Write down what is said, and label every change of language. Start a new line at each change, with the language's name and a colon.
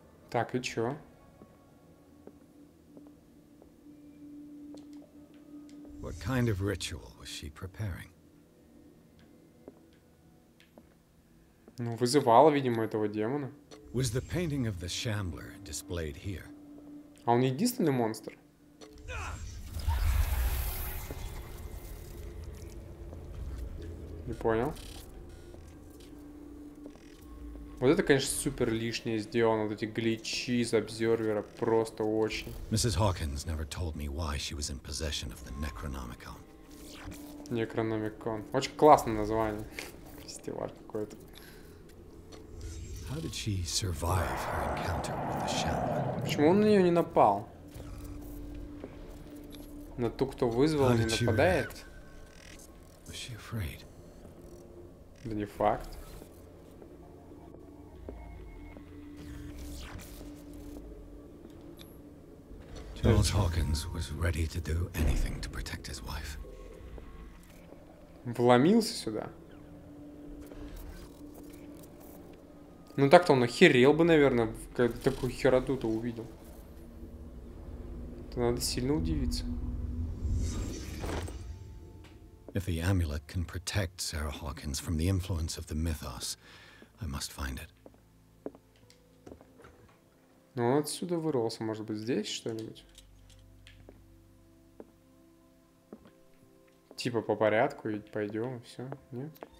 Russian: Так, и чё?
English: What kind of ritual was she preparing?
Russian: Ну, вызывала, видимо, этого демона.
English: Was the painting of the Shambler displayed here?
Russian: А он единственный монстр? Не понял. Вот это, конечно, супер лишнее сделано, вот эти гличи из обсервера просто очень.
English: Mrs. Hawkins never told me why she was in possession of the Necronomicon. Necronomicon.
Russian: Очень классное название. Фестиваль какой-то.
English: How did she survive her encounter with the Shambler?
Russian: Почему он на нее не напал? На ту, кто вызвал, не нападает?
English: Was she afraid?
Russian: Да не факт.
English: Charles Hawkins was ready to do anything to protect his wife.
Russian: Вломился сюда. Ну так-то он охерел бы, наверное, когда такую хероту-то увидел. То надо сильно удивиться.
English: If the amulet can protect Sarah Hawkins from the influence of the mythos, I must find it.
Russian: Ну он отсюда вырвался, может быть, здесь что-нибудь? Типа по порядку и пойдем, все, нет?